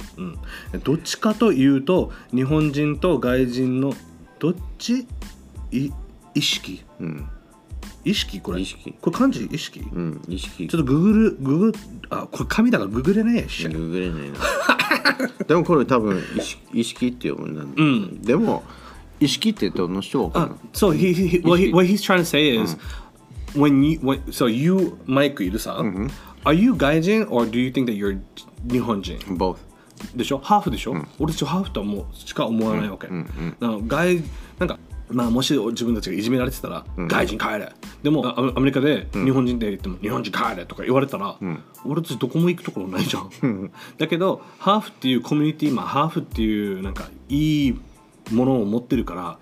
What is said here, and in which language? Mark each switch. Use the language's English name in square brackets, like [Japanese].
[Japanese] うん、どっちかというと日本人と外人のどっち意識、うん、意識、これ意識、これ漢字意識、うん、意識、ちょっとググ、あ、これ紙だからググれないやし、ググれないな。でもこれ多分意識って呼ぶんだ、うん、でも意識ってどの人が分かるの？ [English] So what he's trying to say is、うん、so you マイクいるさ、うん、 Are you 外人 or do you think that you're 日本人？ Both [Japanese] でしょ？ハーフでしょ？うん、俺たちハーフとはもうしか思わないわけ、うんうんうん、外なんか、まあ、もし自分たちがいじめられてたら、うん、外人帰れ、でもアメリカで日本人って言っても、うん、日本人帰れとか言われたら、うん、俺たちどこも行くところないじゃん。だけどハーフっていうコミュニティ、まあ、ハーフっていうなんかいいものを持ってるから、